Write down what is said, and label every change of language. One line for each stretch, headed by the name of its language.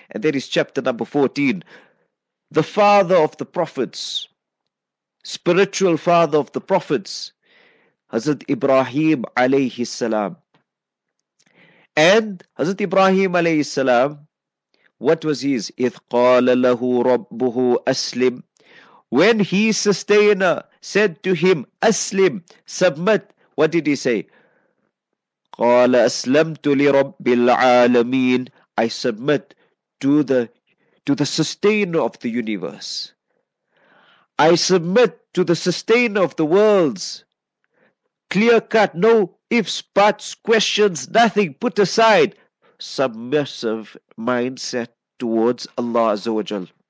English: And that is chapter number 14. The father of the prophets, spiritual father of the prophets, Hazrat Ibrahim alayhi salam. And Hazrat Ibrahim alayhi salam, what was his?
Arabic: إِذْ قَالَ لَهُ رَبُّهُ أَسْلِمْ.
English: When his sustainer said to him, أَسْلِمْ, submit, what did he say?
Arabic: قَالَ أَسْلَمْتُ لِرَبِّ الْعَالَمِينَ.
English: I submit to the sustainer of the universe. I submit to the sustainer of the worlds. Clear cut, no ifs, buts, questions, nothing, put aside. Submissive mindset towards Allah Azza wa Jal.